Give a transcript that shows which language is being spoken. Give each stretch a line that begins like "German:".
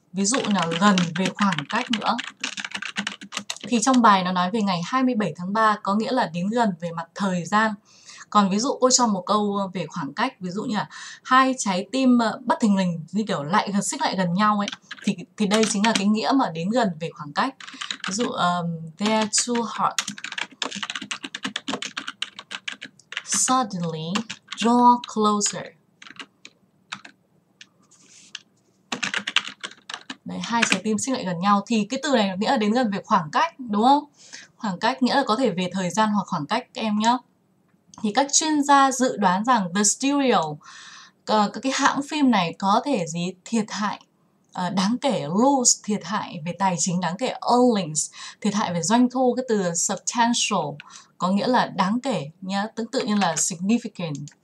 Vietnamese: Ví dụ là gần về khoảng cách nữa. Thì trong bài nó nói về ngày 27 tháng 3, có nghĩa là đến gần về mặt thời gian. Còn ví dụ cô cho một câu về khoảng cách, ví dụ như là hai trái tim bất thình lình như kiểu lại xích lại gần nhau ấy, thì đây chính là cái nghĩa mà đến gần về khoảng cách. Ví dụ
English: their two hearts suddenly draw closer.
Vietnamese: Đấy, hai trái tim xích lại gần nhau. Thì cái từ này nghĩa là đến gần về khoảng cách, đúng không? Khoảng cách nghĩa là có thể về thời gian hoặc khoảng cách các em nhé. thì các chuyên gia dự đoán rằng The Studio, các cái hãng phim này có thể gì thiệt hại đáng kể, lose, thiệt hại về tài chính đáng kể, earnings, thiệt hại về doanh thu, cái từ substantial có nghĩa là đáng kể nhá, tương tự như là significant.